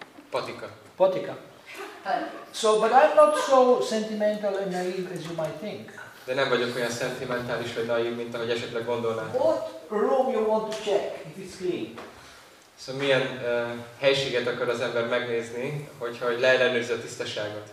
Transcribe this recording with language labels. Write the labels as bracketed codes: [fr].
[hu] Patika. Patika. [en] So, but I'm not so sentimental and naive as you might think. [hu] De nem vagyok olyan szentimentális vagy naív, mint ahogy esetleg gondolnád. [en] What room you want to check if it's clean? [hu] Szóval milyen helységet akar az ember megnézni, hogyha hogy leellenőrzi a tisztaságot?